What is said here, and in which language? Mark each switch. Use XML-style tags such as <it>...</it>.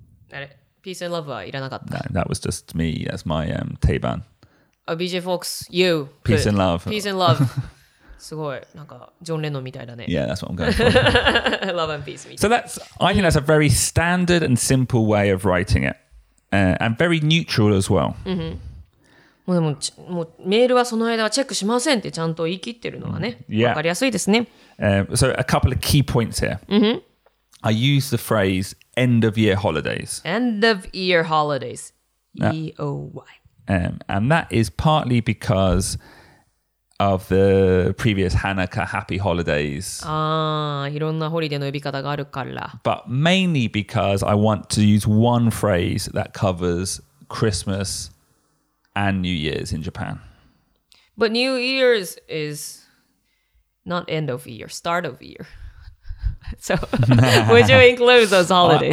<ja>あれ、peace and love はいらなかった。</ja> <en>No, that was just me. That's my Teban. BJ Fox, you. Peace、Good. And love. Peace and love.</en> <ja>すごい、なんかジョン・レノンみたいだね。</ja> <en>Yeah, that's what I'm going for. love and peace. So that's, I think that's a very standard and simple way of writing it,、and very neutral as well.、 Mm-hmm.</en> <ja>もうメールはその間はチェックしませんってちゃんと言い切ってるのはね、</ja> <en>yeah.</en> <ja>分かりやすいですね。</ja> <en>So a couple of key points here.、 Mm-hmm. I use the phrase end of year holidays. End of year holidays. E-O-Y.、 And that is partly because of the previous Hanukkah happy holidays.</en> <ja>ああ、いろんなホリデーの呼び方があるから。</ja> <en>But mainly because I want to use one phrase that covers Christmas... And New Year's in Japan. But New Year's is not end of year, start of year. So, would you include those holidays?</en>